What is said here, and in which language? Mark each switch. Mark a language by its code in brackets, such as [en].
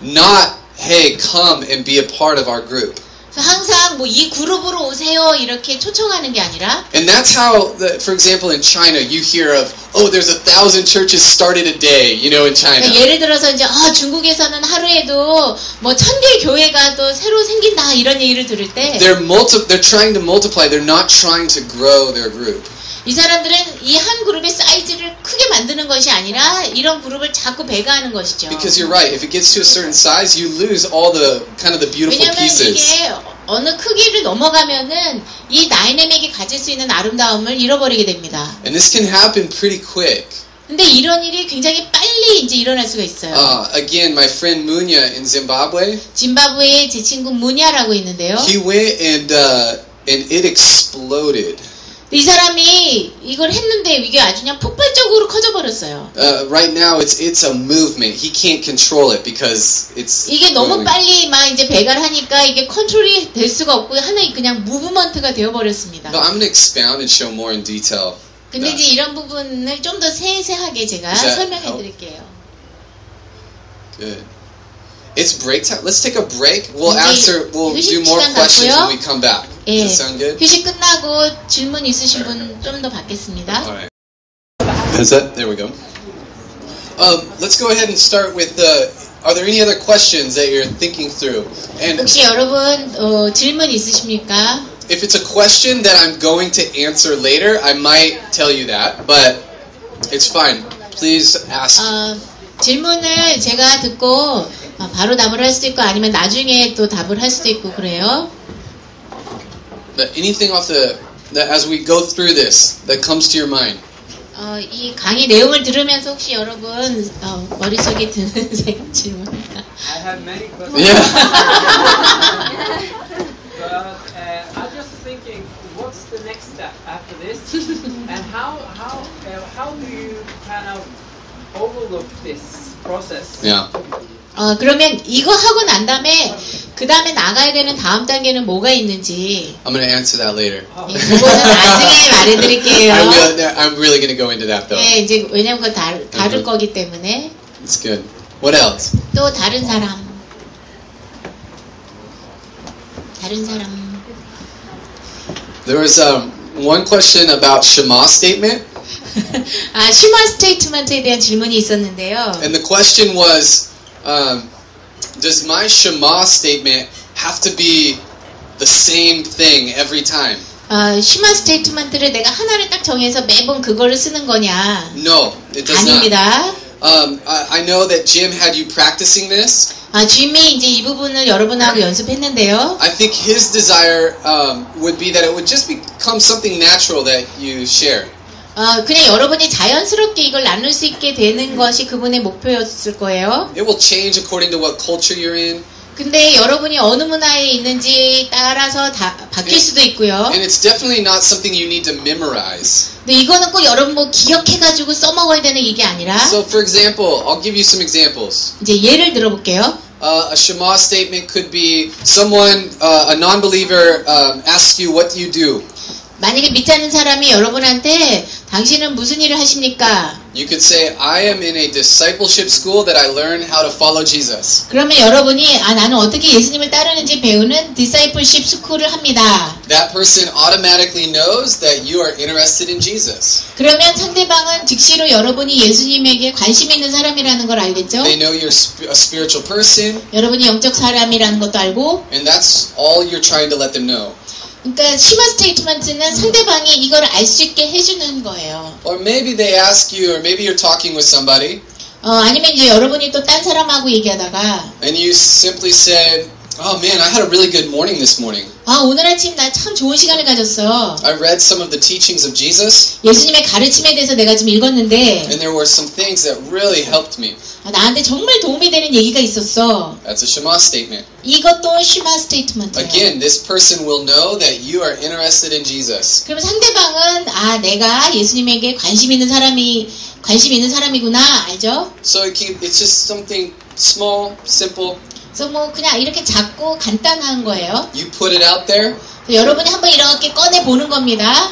[en] Not hey, come and be a part of our group. [ko] 항상 뭐 이 그룹으로 오세요 이렇게 초청하는 게 아니라. [en] And that's how, the, for example, in China, you hear of, oh, there's 1,000 churches started a day, you know, in China. [ko] 예를 들어서 이제 아 중국에서는 하루에도 뭐 1,000개 교회가 또 새로 생긴다 이런 얘기를 들을 때. [en] They're trying to multiply. They're not trying to grow their group. [ko] 이 사람들은 이 한 그룹의 사이즈를 크게 만드는 것이 아니라 이런 그룹을 자꾸 배가하는 것이죠. [en] Because you're right. If it gets to a certain size, you lose all the kind of the beautiful pieces. [ko] 왜냐하면 이게 어느 크기를 넘어가면은 이 다이내믹이 가질 수 있는 아름다움을 잃어버리게 됩니다. [en] And this can happen pretty quick. [ko] 근데 이런 일이 굉장히 빨리 이제 일어날 수가 있어요. [en] Again, my friend Munya in Zimbabwe. [ko] 짐바브웨의 제 친구 무냐라고 있는데요. [en] He went and it exploded. [ko] 이 사람이 이걸 했는데 이게 아주 그냥 폭발적으로 커져버렸어요. [en] Right now it's a movement. He can't control it because it's [ko] 이게 너무 [en] growing. [ko] 빨리 막 이제 배가를 하니까 이게 컨트롤이 될 수가 없고 하나의 그냥 무브먼트가 되어버렸습니다. [en] No, I'm gonna expound and show more in detail. [ko] 근데 이제 이런 부분을 좀 더 세세하게 제가 설명해 드릴게요. [en] Good. It's break time. Let's take a break. We'll answer. We'll do more questions when we come back. [ko] 예, 휴식 끝나고 질문 있으신 분 좀 더 받겠습니다. [en] Is that? There we go. Let's go ahead and start with the. Are there any other questions that you're thinking through? And [ko] 혹시 여러분 질문 있으십니까? [en] If it's a question that I'm going to answer later, I might tell you that, but it's fine. Please ask. [ko] 질문을 제가 듣고 바로 답을 할 수도 있고 아니면 나중에 또 답을 할 수도 있고 그래요. [en] That anything off the that as we go through this that comes to your mind. [ko] 이 강의 내용을 들으면서 혹시 여러분 머릿속에 드는 질문. [en] I have many questions. Yeah. But I'm just thinking, what's the next step after this, and how do you kind of overlook this process? Yeah. [ko] 그러면 이거 하고 난 다음에 그 다음에 나가야 되는 다음 단계는 뭐가 있는지 [en] I'm going to answer that later. [ko] 그거는 나중에 말해드릴게요. [en] I'm really going to go into that though. [ko] 네, 이제 왜냐면 그거 다를 mm-hmm. 거기 때문에 [en] That's good. What else? [ko] 또 다른 사람 다른 사람 [en] There was one question about Shema statement. [ko] 아, Shema statement에 대한 질문이 있었는데요. [en] And the question was does my Shema statement have to be the same thing every time? [ko] Shema statement를 내가 하나를 딱 정해서 매번 그거를 쓰는 거냐? [en] No, it does [ko] 아닙니다. [en] not. I know that Jim had you practicing this. [ko] 아, Jim이 이제 이 부분을 여러분하고 연습했는데요. [en] I think his desire would be that it would just become something natural that you share. [ko] 그냥 여러분이 자연스럽게 이걸 나눌 수 있게 되는 것이 그분의 목표였을 거예요. [en] It will change according to what culture you're in. [ko] 근데 여러분이 어느 문화에 있는지 따라서 다 바뀔 수도 있고요. [en] And it's definitely not something you need to memorize. [ko] 근데 이거는 꼭 여러분 뭐 기억해 가지고 써먹어야 되는 이게 아니라. [en] So for example, I'll give you some examples. [ko] 이제 예를 들어볼게요. [en] A Shema statement could be someone, a non-believer, asks you what you do. [ko] 만약에 믿지 않는 사람이 여러분한테 당신은 무슨 일을 하십니까? [en] You could say I am in a discipleship school that I learn how to follow Jesus. [ko] 그러면 여러분이 아 나는 어떻게 예수님을 따르는지 배우는 discipleship school을 합니다. [en] That person automatically knows that you are interested in Jesus. [ko] 그러면 상대방은 즉시로 여러분이 예수님에게 관심 있는 사람이라는 걸 알겠죠? [en] They know you're a spiritual person. [ko] 여러분이 영적 사람이라는 것도 알고. [en] And that's all you're trying to let them know. [ko] 그러니까 시바 스테이트먼트는 상대방이 이걸 알 수 있게 해주는 거예요. [en] Or maybe they ask you, or maybe you're talking with somebody. [ko] 아니면 이제 여러분이 또 딴 사람하고 얘기하다가. [en] And you simply said, "Oh man, I had a really good morning this morning." [ko] 아 오늘 아침 나 참 좋은 시간을 가졌어. [en] I read some of the teachings of Jesus. [ko] 예수님의 가르침에 대해서 내가 좀 읽었는데. [en] And there were some things that really helped me. [ko] 아, 나한테 정말 도움이 되는 얘기가 있었어. [en] That's a Shema statement. [ko] 이것도 Shema statement. [en] Again, this person will know that you are interested in Jesus. [ko] 그럼 상대방은 아 내가 예수님에게 관심 있는 사람이구나 알죠? [en] So it's just something small, simple. [ko] 그래서 뭐 그냥 이렇게 작고 간단한 거예요. [en] You put it out there. [ko] 여러분이 한번 이렇게 꺼내 보는 겁니다.